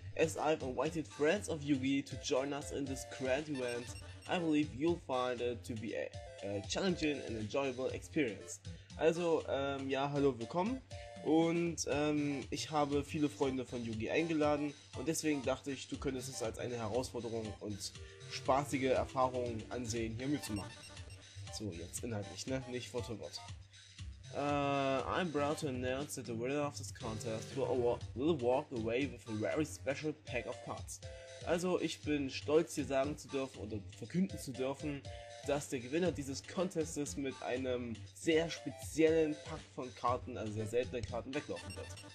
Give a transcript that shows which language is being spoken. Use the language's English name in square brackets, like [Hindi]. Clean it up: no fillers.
[English] As I've invited friends of Yugi to join us in this grand event, I believe you'll find it to be a challenging and enjoyable experience. [German] Also, ja, hallo, willkommen. Und ich habe viele Freunde von Yugi eingeladen und deswegen dachte ich, du könntest es als eine Herausforderung und spaßige Erfahrung ansehen, hier mitzumachen. So, jetzt inhaltlich, ne? Nicht Wort für Wort. [English] I'm proud to announce that the winner of this contest will walk away with a very special pack of cards. [German] Also, ich bin stolz, dir sagen zu dürfen oder verkünden zu dürfen, dass der Gewinner dieses Contests mit einem sehr speziellen Pack von Karten, also sehr seltenen Karten, weglaufen wird.